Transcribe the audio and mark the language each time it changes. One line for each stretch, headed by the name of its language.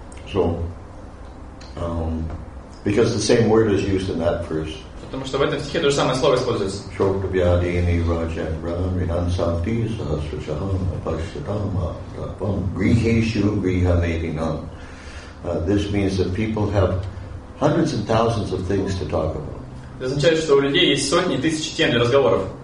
English: So, because the same word is used in that verse.
Russian: Потому что в этом стихе то же самое слово используется.
Sanskrit: Шоктабьядини раджан рам ринан санти сахасрачахам апаштатама тапам грихешу грихамединам.
English: This means that people have hundreds and thousands of things to talk about.
Russian: Это означает, что у людей есть сотни, тысячи тем для разговоров.